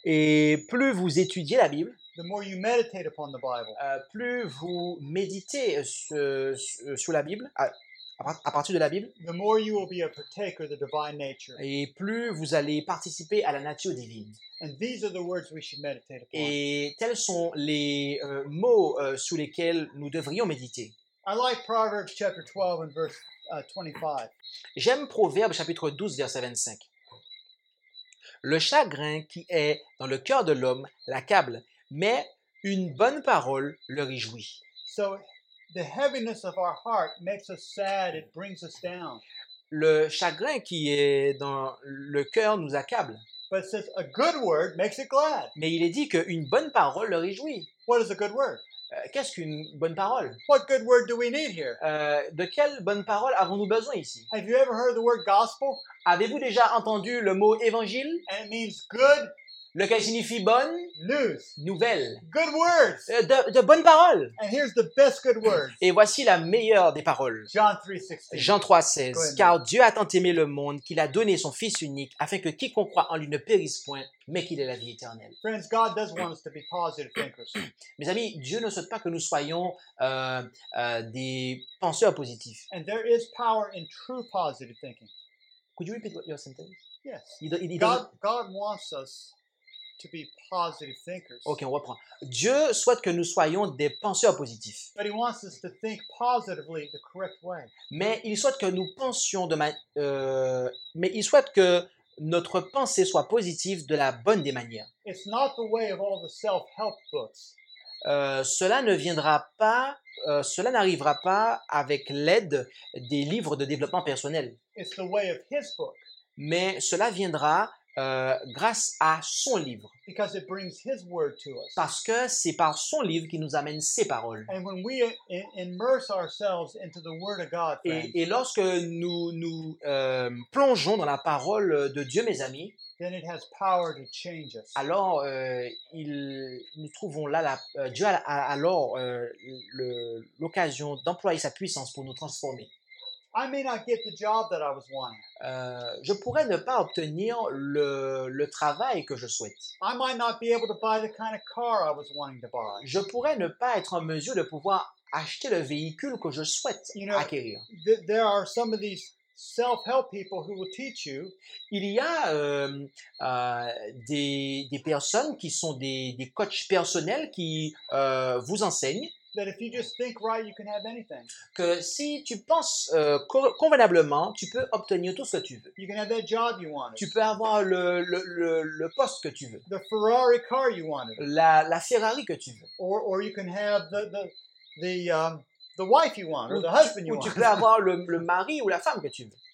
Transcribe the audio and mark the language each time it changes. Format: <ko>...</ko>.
<fr>et plus vous étudiez la Bible,</fr> <en>the more you meditate upon the Bible,</en> <fr>plus vous méditez sur la Bible. À partir de la Bible,</fr> <en>the more you will be a partaker of the divine nature.</en> <fr>Et plus vous allez participer à la nature divine.</fr> <en>And these are the words we should meditate upon.</en> <fr>Et tels sont les mots sous lesquels nous devrions méditer.</fr> <en>I like Proverbs chapter 12 and verse 25.</en> <fr>J'aime Proverbes chapitre 12 verset 25. Le chagrin qui est dans le cœur de l'homme l'accable, mais une bonne parole le réjouit.</fr> <en>So, the heaviness of our heart makes us sad, it brings us down.</en> <fr>Le chagrin qui est dans le cœur nous accable.</fr> <en>But it says a good word makes it glad.</en> <fr>Mais il est dit qu'une bonne parole le réjouit.</fr> <en>What is a good word?</en> <fr>Qu'est-ce qu'une bonne parole?</fr> <en>What good word do we need here?</en> <fr>De quelle bonne parole avons-nous besoin ici?</fr> <en>Have you ever heard the word gospel?</en> <fr>Avez-vous déjà entendu le mot évangile?</fr> <en>And it means good.</en> <fr>Lequel signifie bonne</fr> <en>news.</en> <fr>Nouvelle.</fr> <en>Good words.</en> <fr>De bonnes paroles.</fr> <en>And here's the best good words.</en> <fr>Et voici la meilleure des paroles. Jean 3:16. Car Dieu a tant aimé le monde qu'il a donné son Fils unique afin que quiconque croit en lui ne périsse point, mais qu'il ait la vie éternelle.</fr> <en>Friends, God does want us to be positive thinkers.</en> <fr>Mes amis, Dieu ne souhaite pas que nous soyons des penseurs positifs.</fr> <en>And there is power in true positive thinking. Could you repeat your sentence? Yes. God wants us to be positive thinkers.</en> <fr>Ok, on reprend. Dieu souhaite que nous soyons des penseurs positifs.</fr> <en>But he wants us to think positively the correct way.</en> <fr>Mais il souhaite que nous pensions mais il souhaite que notre pensée soit positive de la bonne des manières.</fr> <en>It's not the way of all the self-help books.</en> <fr>Cela ne viendra pas, cela n'arrivera pas avec l'aide des livres de développement personnel.</fr> <en>It's the way of his book.</en> <fr>Mais cela viendra grâce à son livre.</fr> <en>Because it brings his word to us.</en> <fr>Parce que c'est par son livre qu'il nous amène ses paroles.</fr> <en>And when we immerse ourselves into the word of God,</en> <fr>et lorsque nous plongeons dans la parole de Dieu, mes amis,</fr> <en>then it has power to change us.</en> <fr>Alors nous trouvons là Dieu a alors l'occasion d'employer sa puissance pour nous transformer.</fr> <en>I may not get the job that I was wanting.</en> <fr>Je pourrais ne pas obtenir le travail que je souhaite.</fr> <en>I might not be able to buy the kind of car I was wanting to buy.</en> <fr>Je pourrais ne pas être en mesure de pouvoir acheter le véhicule que je souhaite acquérir.</fr> <en>There are some of these self-help people who will teach you.</en> <fr>Il y a des personnes qui sont des coachs personnels qui vous enseignent.</fr> <en>That if you just think right, you can have anything.</en> <fr>Que si tu penses convenablement, tu peux obtenir tout ce que tu veux.</fr> <en>You can have that job you wanted.</en> <fr>Tu peux avoir le poste que tu veux.</fr> <en>The Ferrari car you wanted.</en> <fr>La Ferrari que tu veux.</fr> <en>Or you can have the wife you want, or the husband you want.</en> <fr>Ou tu peux avoir le mari ou la femme que tu veux.</fr>